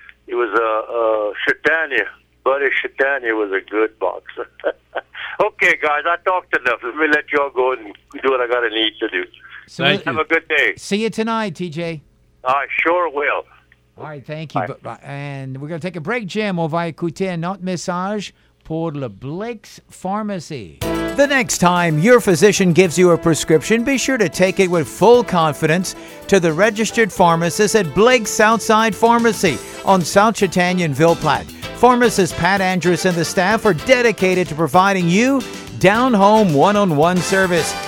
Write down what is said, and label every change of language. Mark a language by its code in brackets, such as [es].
[en] Shatania. Buddy Shatania was a good boxer. Okay, guys, I talked enough. Let me let you all go and do what I got to need to do. So thank you. Have a good day. See you tonight, TJ. I sure will. All right, thank you. And we're going to take a break, Jim. [fr] On va écouter notre message pour le Blake's Pharmacy. [en] The next time your physician gives you a prescription, be sure to take it with full confidence to the registered pharmacist at Blake's Southside Pharmacy on South Chatania and Ville Platte. Pharmacist Pat Andrews and the staff are dedicated to providing you down-home one-on-one service.